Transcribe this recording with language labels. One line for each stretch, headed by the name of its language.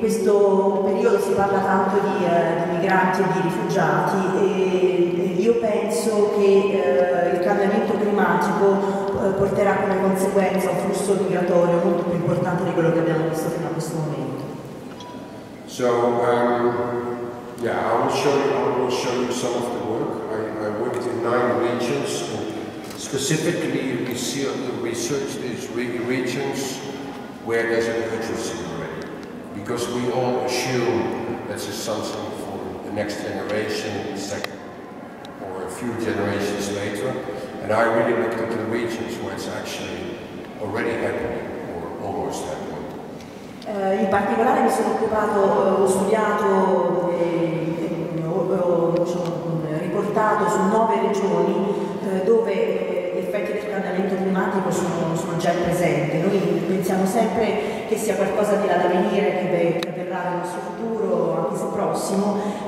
Italian: In questo periodo si parla tanto di migranti e di rifugiati e io penso che il cambiamento climatico porterà come conseguenza un flusso migratorio molto più importante di quello che abbiamo visto fino a questo momento.
English: So, I will show you some of the work. I worked in 9 regions. Specifically, researched these regions where there's an urgency already. Because we all assume that it's something for the next generation, the second, or a few generations later. And I really looked at the regions where it's actually already happening or almost happening.
Italian: In particolare mi sono occupato, ho studiato e ho riportato su 9 regioni dove gli effetti del cambiamento climatico sono già presenti. Noi pensiamo sempre che sia qualcosa di là da venire, che avverrà nel nostro futuro, anche se prossimo.